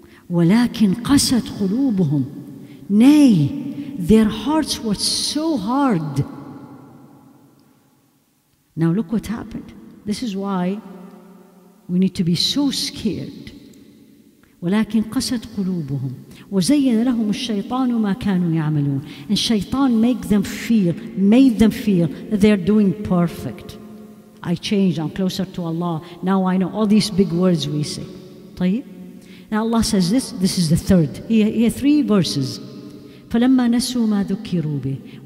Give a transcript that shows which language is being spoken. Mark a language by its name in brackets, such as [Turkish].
[Arabic] وَلَكِنْ قَسَتْ قُلُوبُهُمْ. [English] Nay, their hearts were so hard. Now look what happened. This is why we need to be so scared. [Arabic] ولكن قست قلوبهم وزين لهم الشيطان ما كانوا يعملون. [English] And الشيطان made them fear that they are doing perfect. I changed, I'm closer to Allah. Now I know all these big words we say. [Arabic] طيب. [English] Now Allah says this, this is the third. He has three verses. [Arabic] فَلَمَّا نَسُوا مَا ذُكِّرُوا بِهِ.